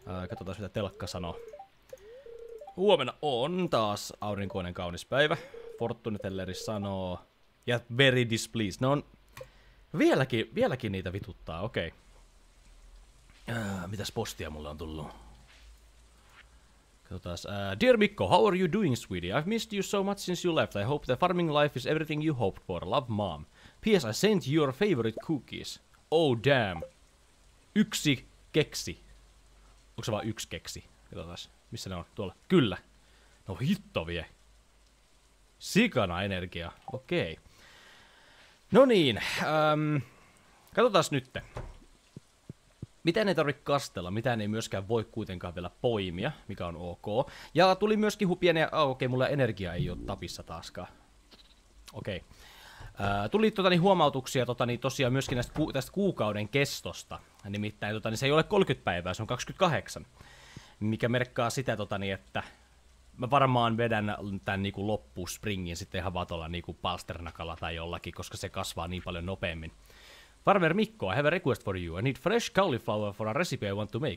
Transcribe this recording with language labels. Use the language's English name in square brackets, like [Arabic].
[Finnish] Katsotaan, mitä telkka sanoo. Huomenna on taas aurinkoinen kaunis päivä. Fortune Telleri sanoo. Ja [English] very displeased. [Finnish] Ne on vieläkin niitä vituttaa, okei. Mitäs postia mulle on tullut? [English] Dear Mikko, how are you doing, sweetie? I've missed you so much since you left. I hope the farming life is everything you hoped for. Love, Mom. P.S. I sent your favorite cookies. Oh, damn. [Finnish] Yksi keksi. Onko se vaan yksi keksi? Katsotaas. Missä ne on? Tuolla. Kyllä. No hitto vie. Sikana energia. Okei. No niin. Katsotaas nytte. Mitään ei tarvitse kastella, mitään ei myöskään voi kuitenkaan vielä poimia, mikä on ok. Ja tuli myöskin pieniä, okei, mulla energia ei ole tapissa taaskaan. Okei. Tuli huomautuksia tosiaan myöskin tästä kuukauden kestosta. Nimittäin se ei ole 30 päivää, se on 28. Mikä merkkaa sitä, että mä varmaan vedän tän niinku loppuspringin sitten ihan vaan tuolla niinku palsternakalla tai jollakin, koska se kasvaa niin paljon nopeammin. [English] Farmer Mikko, I have a request for you. I need fresh cauliflower for a recipe I want to make.